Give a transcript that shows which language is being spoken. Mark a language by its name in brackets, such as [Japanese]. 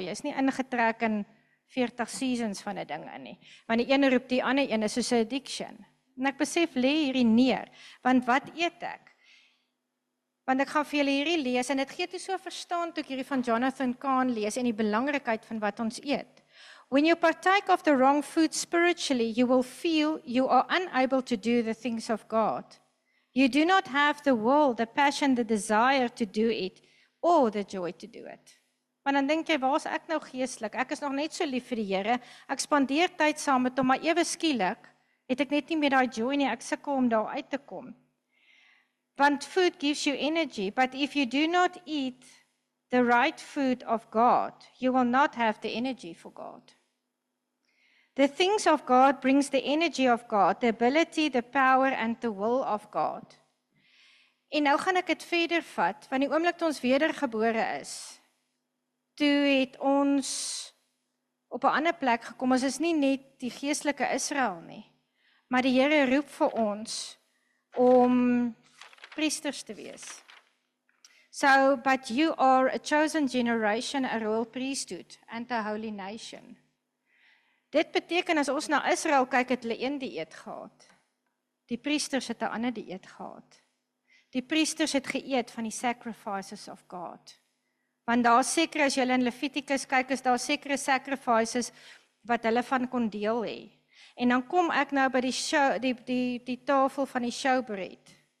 [Afrikaans] Jy's nie ingetrek in 40 seasons van 'n ding in nie. Want die ene roep die ander een, is soos 'n addiction. En ek besef lê hierdie neer, want wat eet ek? Want ek gaan vir julle hierdie lees en dit gee toe so verstaan toe ek hierdie van Jonathan Kahn lees en die belangrikheid van wat ons eet. [English] When you partake of the wrong food spiritually, you will feel you are unable to do the things of God. You do not have the will, the passion, the desire to do it, or the joy to do it. [Afrikaans] Maar dan dink jy, waar is ek nou geestelik? Ek is nog net so lief vir die Here. Ek spandeer tyd saam met hom, maar ewe skielik het ek net nie meer daai joy nie, ek sukkel om daar uit te kom. [English] Want food gives you energy, but if you do not eat the right food of God, you will not have the energy for God. The things of God brings the energy of God, the ability, the power and the will of God. [Afrikaans] En nou gaan ek dit verder vat, want die oomblik toe ons wedergebore is, toe het ons op 'n ander plek gekom, ons is nie net die geestelike Israel nie. Maar die Here roep vir ons om priesters te wees. [English] So, but you are a chosen generation, a royal priesthood, and a holy nation. [Afrikaans] Dit beteken as ons na Israel kyk, het hulle een dieet gehad. Die priesters het 'n ander dieet gehad. Die priesters het geëet van die [English] sacrifices of God. [Afrikaans] Want daar seker as jy in Levitikus kyk, is daar sekere sacrifices wat hulle van kon deel hê. En dan kom ek nou by die show, die tafel van die showbread.